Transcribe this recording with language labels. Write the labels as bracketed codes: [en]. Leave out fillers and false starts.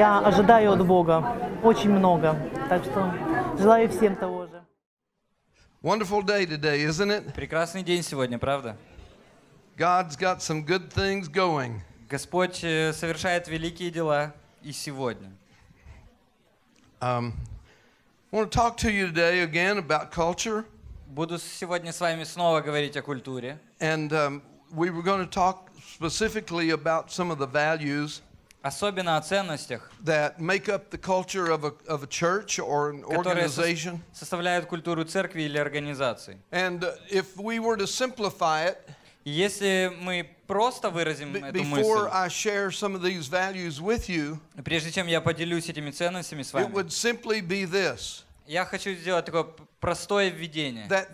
[ru] Я ожидаю от Бога очень много. Так что желаю всем того же. [en] Wonderful day today, isn't it? [ru] Прекрасный день сегодня, правда? [en] God's got some good things going. [ru] Господь совершает великие дела и сегодня. [en] I want to talk to you today again about culture. [ru] Буду сегодня с вами снова говорить о культуре. [en] And we were going to talk specifically about some of the values. [ru] Особенно о ценностях, [en] that make up the culture of a church or an organization. [ru] Которые составляют культуру церкви или организации. [en] And if we were to simplify it. [ru] Если мы просто выразим эту мысль, прежде чем я поделюсь этими ценностями с вами, я хочу сделать такое простое введение.